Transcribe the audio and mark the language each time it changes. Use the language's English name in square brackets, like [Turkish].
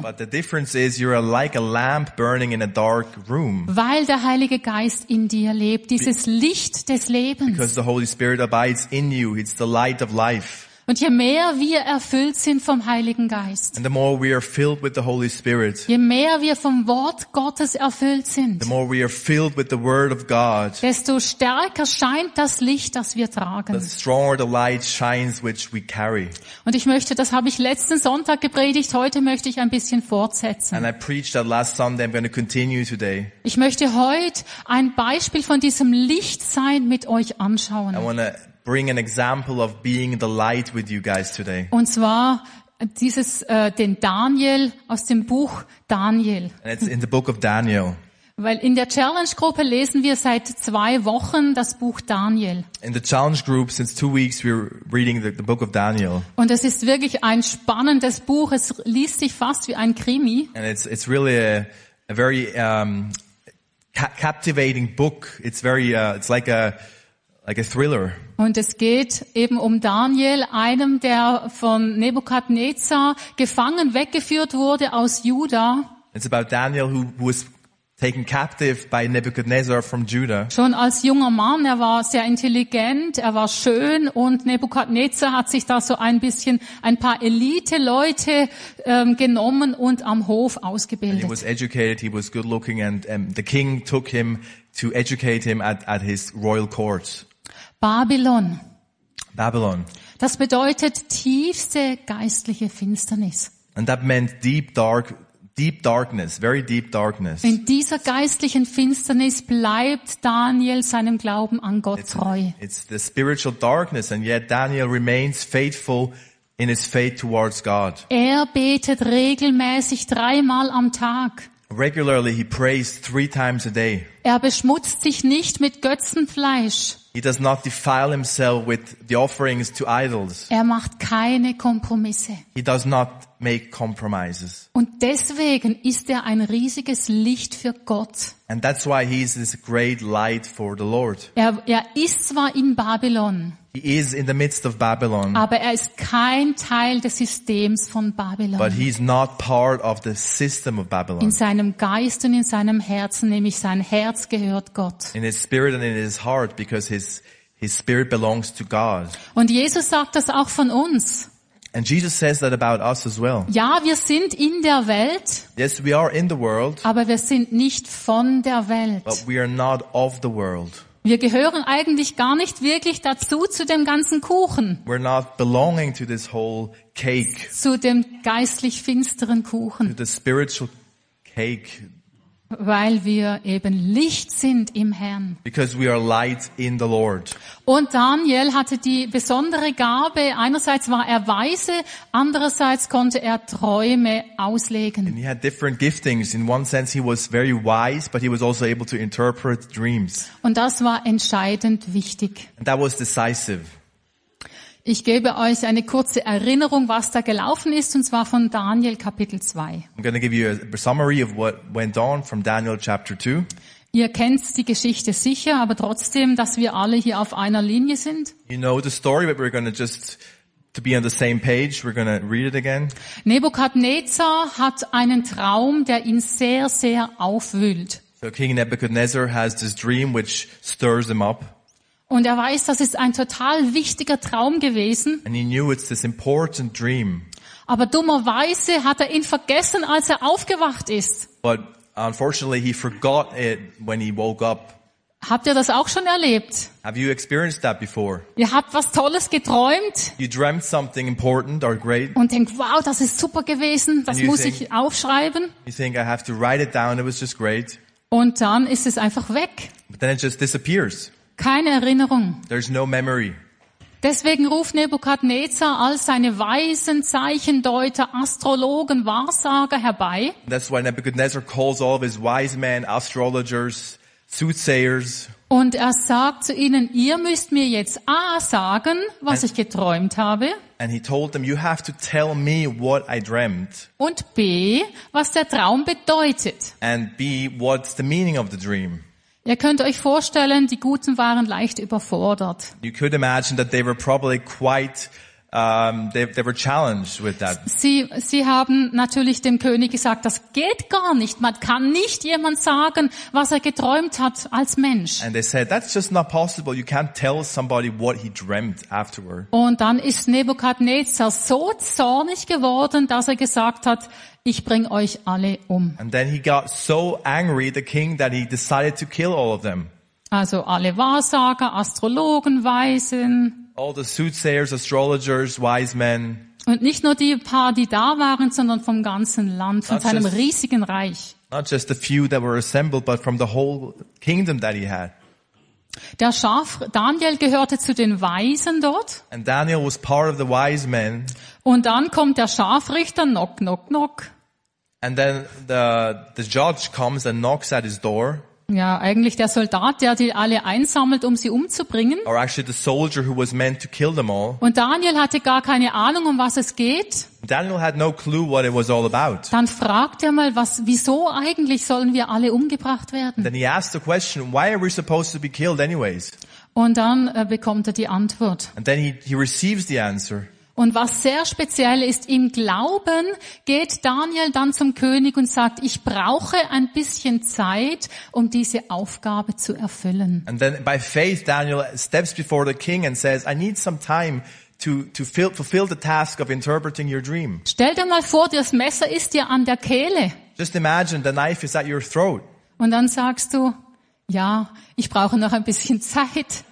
[English] But the difference is you're like a lamp burning in a dark room. [German] Weil der Heilige Geist in dir lebt, dieses Licht des Lebens. [English] Because the Holy Spirit abides in you, it's the light of life. [German] Und je mehr wir erfüllt sind vom Heiligen Geist, [English] and the more we are filled with the Holy Spirit, [German] je mehr wir vom Wort Gottes erfüllt sind, [English] the more we are filled with the Word of God, [German] desto stärker scheint das Licht, das wir tragen. [English] The stronger the light shines which we carry. [German] Und ich möchte, das habe ich letzten Sonntag gepredigt, heute möchte ich ein bisschen fortsetzen. [English] And I preached that last Sunday, I'm going to continue today. [German] Ich möchte heute ein Beispiel von diesem Licht sein mit euch anschauen. [English] Bring an example of being the light with you guys today. [German] Und zwar dieses den Daniel aus dem Buch Daniel. [English] And it's in the book of Daniel. [German] Weil in der Challenge Gruppe lesen wir seit 2 Wochen das Buch Daniel. [English] In the Challenge Group since 2 weeks we're reading the book of Daniel. [German] Und es ist wirklich ein spannendes Buch. Es liest sich fast wie ein Krimi. [English] And it's really a very captivating book. It's very it's like a thriller. [German] Und es geht eben um Daniel, einem, der von Nebukadnezar gefangen weggeführt wurde aus Juda. [English] It's about Daniel who was taken captive by Nebuchadnezzar from Judah. [German] Schon als junger Mann, er war sehr intelligent, er war schön und Nebukadnezar hat sich da so ein paar Elite-Leute genommen und am Hof ausgebildet. [English] And he was educated, he was good looking and the king took him to educate him at his royal court. [German] Babylon. [English] Babylon. [German] Das bedeutet tiefste geistliche Finsternis. [English] And that meant deep darkness, very deep darkness. [German] In dieser geistlichen Finsternis bleibt Daniel seinem Glauben an Gott treu. [English] It's the spiritual darkness, and yet Daniel remains faithful in his faith towards God. [German] Er betet regelmäßig dreimal am Tag. [English] Regularly he prays three times a day. [German] Er beschmutzt sich nicht mit Götzenfleisch. [English] He does not defile himself with the offerings to idols. [German] Er macht keine Kompromisse. [English] He does not make compromises. [German] Und deswegen ist er ein riesiges Licht für Gott. [English] And that's why he is this great light for the Lord. [German] Er ist zwar in Babylon. [English] He is in the midst of Babylon. [German] Aber er ist kein Teil des Systems von Babylon. [English] But he is not part of the system of Babylon. [German] In seinem Geist und in seinem Herzen, nämlich sein Herz gehört Gott. [English] In his spirit and in his heart, because his spirit belongs to God. [German] Und Jesus sagt das auch von uns. [English] And Jesus says that about us as well. [German] Ja, wir sind in der Welt. [English] Yes, we are in the world. [German] Aber wir sind nicht von der Welt. [English] But we are not of the world. [German] Wir gehören eigentlich gar nicht wirklich dazu, zu dem ganzen Kuchen. [English] We're not belonging to this whole cake. [German] Zu dem geistlich finsteren Kuchen. [English] To the spiritual cake. [German] Weil wir eben Licht sind im Herrn. [English] Because we are light in the Lord. [German] Und Daniel hatte die besondere Gabe, einerseits war er weise, andererseits konnte er Träume auslegen. [English] And he had different giftings. In one sense he was very wise, but he was also able to interpret dreams. [German] Und das war entscheidend wichtig. [English] And that was decisive. [German] Ich gebe euch eine kurze Erinnerung, was da gelaufen ist, und zwar von Daniel Kapitel 2. [English] I'm going to give you a summary of what went on from Daniel chapter 2. [German] Ihr kennt die Geschichte sicher, aber trotzdem, dass wir alle hier auf einer Linie sind. [English] You know the story, but we're going to just to be on the same page, we're going to read it again. [German] Nebukadnezar hat einen Traum, der ihn sehr, sehr aufwühlt. [English] So King Nebuchadnezzar has this dream which stirs him up. [German] Und er weiß, das ist ein total wichtiger Traum gewesen. [English] And he knew it's this important dream. [German] Aber dummerweise hat er ihn vergessen, als er aufgewacht ist. [English] But unfortunately he forgot it when he woke up. [German] Habt ihr das auch schon erlebt? [English] Have you experienced that before? [German] Ihr habt was Tolles geträumt. [English] You dreamt something important or great. [German] Und denkt, wow, das ist super gewesen, das muss ich aufschreiben. [English] You think I have to write it down, it was just great. [German] Und dann ist es einfach weg. [English] But then it just disappears. [German] Keine Erinnerung. [English] There's no memory. [German] Deswegen ruft Nebukadnezar all seine Weisen, Zeichendeuter, Astrologen, Wahrsager herbei. [English] That's why Nebuchadnezzar calls all of his wise men, astrologers, soothsayers. [German] Und er sagt zu ihnen, ihr müsst mir jetzt A sagen, was ich geträumt habe. [English] And he told them, you have to tell me what I dreamt. [German] Und B, was der Traum bedeutet. [English] And B, what's the meaning of the dream. [German] Ihr könnt euch vorstellen, die Guten waren leicht überfordert. [English] You could imagine that they were probably quite they were challenged with that. [German] Sie haben natürlich dem König gesagt, das geht gar nicht. Man kann nicht jemand sagen, was er geträumt hat als Mensch. [English] And they said that's just not possible. You can't tell somebody what he dreamt afterward. [German] Und dann ist Nebukadnezar so zornig geworden, dass er gesagt hat, ich bring euch alle um. [English] And then he got so angry, the king, that he decided to kill all of them. [German] Also alle Wahrsager, Astrologen, Weisen. [English] All the soothsayers, astrologers, wise men. [German] Und nicht nur die paar, die da waren, sondern vom ganzen Land, von seinem riesigen Reich. [English] Not just the few that were assembled, but from the whole kingdom that he had. [German] Der Daniel gehörte zu den Weisen dort. [English] And Daniel was part of the wise men. [German] Und dann kommt der Scharfrichter, knock, knock, knock. [English] And then the judge comes and knocks at his door. [German] Ja, eigentlich der Soldat, der die alle einsammelt, um sie umzubringen. [English] Or actually the soldier who was meant to kill them all. [German] Und Daniel hatte gar keine Ahnung, um was es geht. [English] Daniel had no clue what it was all about. [German] Dann fragt er mal, wieso eigentlich sollen wir alle umgebracht werden? [English] Then he asked the question, why are we supposed to be killed anyways? [German] Und dann bekommt er die Antwort. [English] And then he receives the answer. [German] Und was sehr speziell ist, im Glauben geht Daniel dann zum König und sagt, ich brauche ein bisschen Zeit, um diese Aufgabe zu erfüllen. [English] And then by faith Daniel steps before the king and says, I need some time to fulfill the task of interpreting your dream. [German] Stell dir mal vor, das Messer ist dir an der Kehle. [English] Just imagine the knife is at your throat. [German] Und dann sagst du, ja, ich brauche noch ein bisschen Zeit.